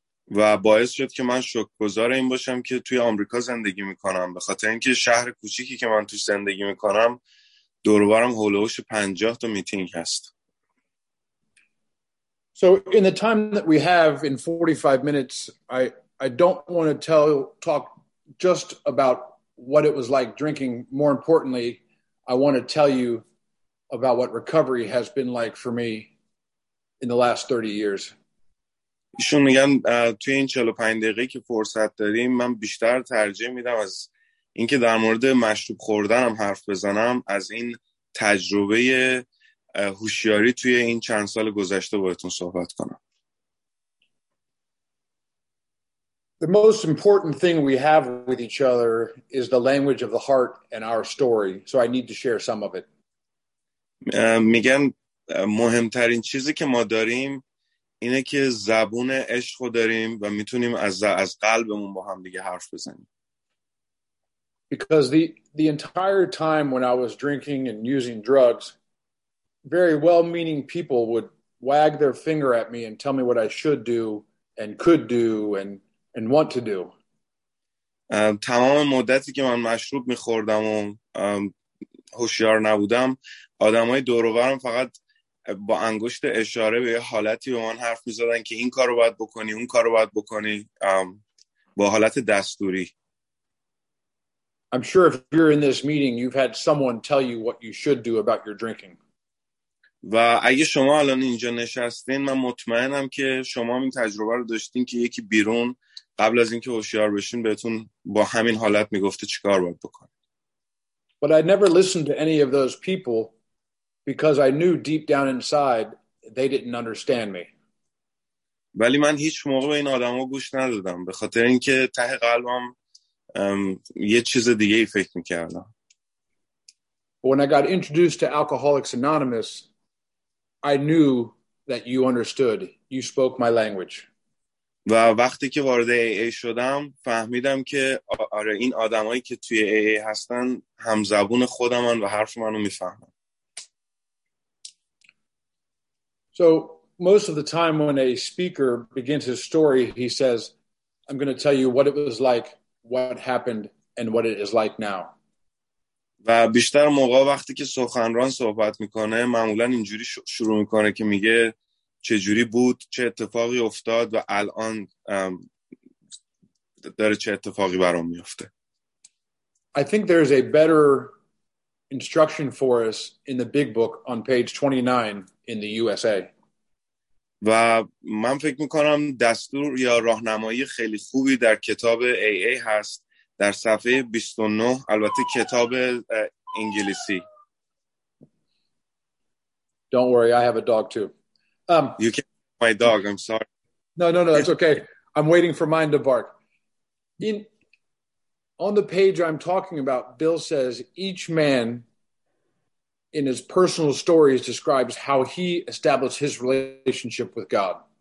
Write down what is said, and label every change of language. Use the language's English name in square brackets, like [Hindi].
[Persian] و باعث شد که من شکرگزار این باشم که توی آمریکا زندگی میکنم، به خاطر اینکه شهر کوچیکی که من توش زندگی میکنم دور و برم هول و هوش 50 تا میتینگ هست. [English] So in the time that we have in 45 minutes I don't want to talk just about what it was like drinking. More importantly, I want to tell you about what recovery has been like for me in the last 30 years. [Persian] ایشون میگن توی این 45 دقیقه که فرصت داریم من بیشتر ترجیح میدم از اینکه در مورد مشروب خوردنم حرف بزنم از این تجربه هوشیاری توی این چند سال گذشته باهاتون صحبت کنم. [English] The most important thing we have with each other is the language of the heart and our story, so I need to share some of it. [Persian] میگن مهمترین چیزی که ما داریم اینه که زبون عشق رو داریم و میتونیم از قلبمون با هم دیگه حرف بزنیم. [English] Because the entire time when I was drinking and using drugs, very well-meaning people would wag their finger at me and tell me what I should do and could do and want to do. [Persian] تمام مدتی که من مشروب میخوردم و هوشیار نبودم، آدمای دور و برم فقط با انگشت اشاره به حالتی به من حرف می‌زدن که این کارو باید بکنی، اون کارو باید بکنی، با حالت دستوری. [English] I'm sure if you're in this meeting you've had someone tell you what you should do about your drinking. [Persian] و اگه شما الان اینجا نشستین من مطمئنم که شما این تجربه رو داشتین که یکی بیرون قبل از اینکه هوشیار بشین بهتون با همین حالت میگفته چیکار باید بکنی. [English] But I never listened to any of those people because I knew deep down inside they didn't understand me. [Persian] ولی من هیچ موقع به این آدما گوش ندادم به خاطر اینکه ته قلبم یه چیز دیگه ای فکر می‌کردم. [English] When I got introduced to Alcoholics Anonymous, I knew that you understood. You spoke my language. [Persian] و وقتی که وارد AA شدم فهمیدم که آره این آدمایی که توی AA هستن هم زبون خودمن و حرف منو می‌فهمن. [English] So most of the time when a speaker begins his story, he says, I'm going to tell you what it was like, what happened, and what it is like now. [Persian] و بیشتر موقع وقتی که سخنران صحبت میکنه معمولا اینجوری شروع میکنه که میگه چه جوری بود، چه اتفاقی افتاد و الان داره چه اتفاقی برام میفته. [English] I think there is a better instruction for us in the big book on page 29. In the USA. [Persian] و من فکر میکنم دستور یا راهنمایی خیلی خوبی در کتاب AA هست در صفحه 29 البته کتاب انگلیسی. [English] Don't worry, I have a dog too. You can't have my dog, I'm sorry. No, it's okay. I'm waiting for mine to bark. On the page I'm talking about, Bill says each man in his personal stories describes how he established his relationship with God.